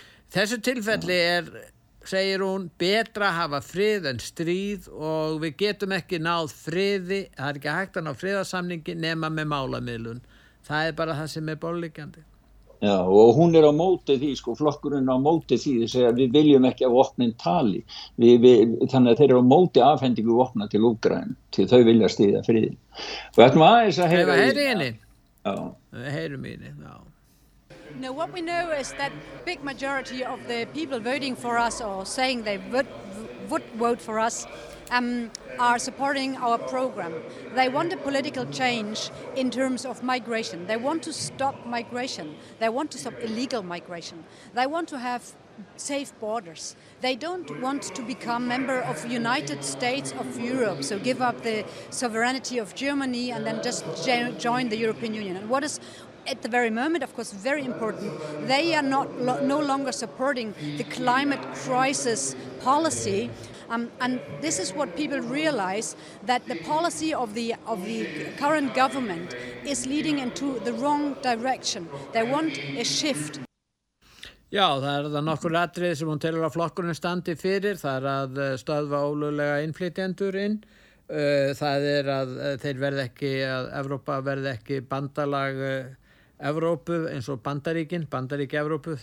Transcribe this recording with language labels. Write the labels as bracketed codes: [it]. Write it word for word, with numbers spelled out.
[is] Þessu tilfelli er, segir hún, betra að hafa frið en stríð og við getum ekki náð friði, það er ekki hægt að ná friðarsamningi nema með málamiðlun, það er bara það sem er bólíkjandi. Já, og hún er á móti því, sko, flokkurinn á móti því þess að við viljum ekki að vopnin tali. Við, við, þannig að þeir eru á móti afhendingu vopna til Úkraínu, til þau vilja stýða friðin. Og ætlum aðeins að heyra í henni. Já. Við heyrum í henni, já. [en] Now what we know is that big majority of the people voting for us or saying they would, would vote for us Um, are supporting our program. They want a political change in terms of migration. They want to stop migration. They want to stop illegal migration. They want to have safe borders. They don't want to become member of United States of Europe, so give up the sovereignty of Germany and then just join the European Union. And what is at the very moment, of course, very important, they are not lo- no longer supporting the climate crisis policy. Um, and this is what people realize, that the policy of the of the current government is leading into the wrong direction. They want a shift. [is] Já, það er það nokkur atriði sem hún telur að flokkurinn standi fyrir. Það er að stöðva ólöglega innflytjendur inn. Það er að þeir verði ekki, að Evrópa verði ekki bandalag Evrópu eins og Bandaríkin, Bandaríki Evrópu.